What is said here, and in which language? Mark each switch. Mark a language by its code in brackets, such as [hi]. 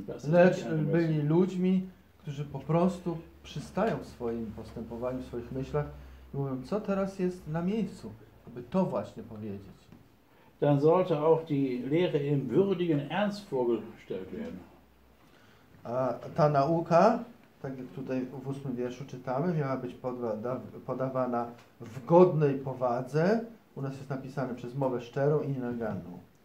[pl] Lecz byli ludźmi, którzy po prostu przystają w swoim postępowaniu, w swoich myślach i mówią, co teraz jest na miejscu, aby to właśnie powiedzieć. [de] Dann sollte auch die Lehre im würdigen Ernst vorgestellt werden. [pl] A ta nauka, tak jak tutaj w 8 wierszu czytamy, miała być podawana w godnej powadze. U nas jest napisane przez mowę szczerą i nienaganną.